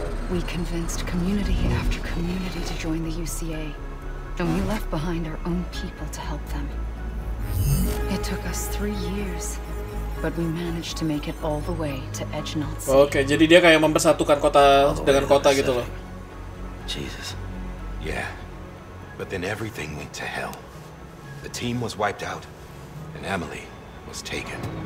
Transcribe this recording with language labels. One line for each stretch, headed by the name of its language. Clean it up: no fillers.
English: We convinced community after community to join the UCA. And we left behind our own people to help them. It took us 3 years, but we managed to make it all the way to Edgenaut.
Indonesian: Okay, jadi dia kayak mempersatukan kota dengan kota gitu loh.
English: Jesus. Yeah, but then everything went to hell. The team was wiped out, and Emily was taken.